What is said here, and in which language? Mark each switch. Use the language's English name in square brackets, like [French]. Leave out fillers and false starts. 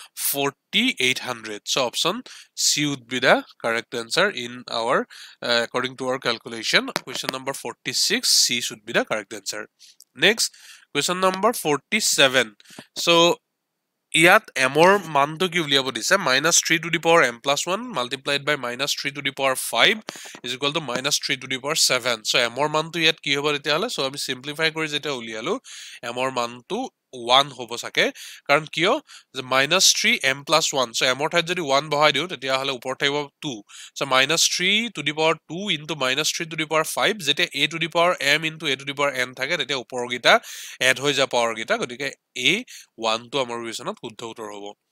[English] 4800। So' option C would be the correct answer in our according to our calculation. Question number 46, C should be the correct answer. Next question number 47, [Assamese] চ' ইয়াত এমৰ মানটো কি উলিয়াব দিছে? [English] -3 to the power m+1 multiplied by -3 to the power 5 is equal to -3 to the power 7। [Assamese] চ' এমৰ মানটো ইয়াত কি হ'ব তেতিয়াহ'লে? চ' আমি চিম্প্লিফাই কৰি যেতিয়া উলিয়ালোঁ এমৰ মানটো 1 হ'ব চাগে, কাৰণ কিয়? যে -3 m+1, চ' এমৰ ঠাইত যদি 1 বহাই দিওঁ তেতিয়াহ'লে ওপৰত থাকিব 2। চ' [English] -3 to the power 2 into -3 to the power 5, [Assamese] যেতিয়া a to the power m into a to the power n থাকে তেতিয়া ওপৰৰকেইটা এড হৈ যায় পাৱাৰকেইটা, গতিকে a 1টো আমাৰ বিবেচনাত শুদ্ধ উত্তৰ হ'ব।